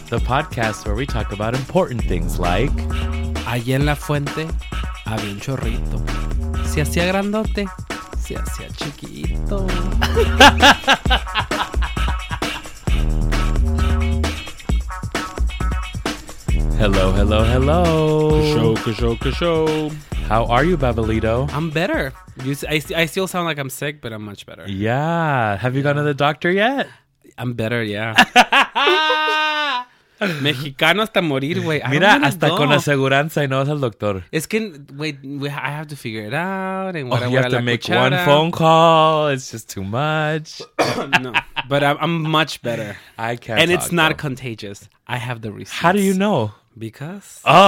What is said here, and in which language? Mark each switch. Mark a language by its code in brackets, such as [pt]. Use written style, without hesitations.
[en] the podcast where we talk about important things like [es] allí en la fuente había un chorrito. Se hacía grandote, se hacía chiquito. [en] Hello, hello, hello. Show, show, show. How are you, Babelito? I'm better. I still sound like I'm sick, but I'm much better. Yeah. Have you gone to the doctor yet? I'm better, yeah. [es] Mexicano hasta morir, güey. Mira, hasta con la aseguranza y no vas al doctor. Es que, [en] wait, I have to figure it out. And you have to make one phone call. It's just too much. No, but I'm much better. I can't. And it's not contagious. I have the receipts. How do you know? Because.